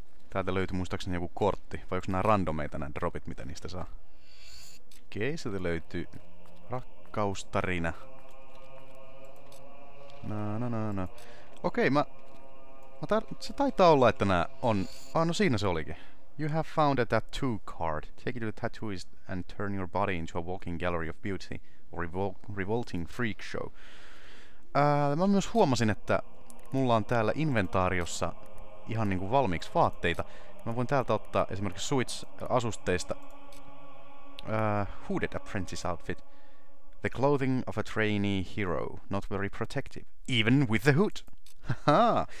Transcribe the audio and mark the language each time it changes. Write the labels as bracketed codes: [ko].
[fi] Täältä löytyi muistaakseni joku kortti. Vai onko nää randomeita, nää dropit, mitä niistä saa? Okei, sieltä löytyy... Rakkaustarina. No. Okei, se taitaa olla, että nää on... no siinä se olikin. [en] You have found a tattoo card. Take it to the tattooist and turn your body into a walking gallery of beauty. Or revolting freak show. [fi] Mä myös huomasin, että mulla on täällä inventaariossa ihan niinku valmiiksi vaatteita. Mä voin täältä ottaa esimerkiksi Switch-asusteista Hooded Apprentice Outfit. [en] The clothing of a trainee hero. Not very protective. Even with the hood! Haha!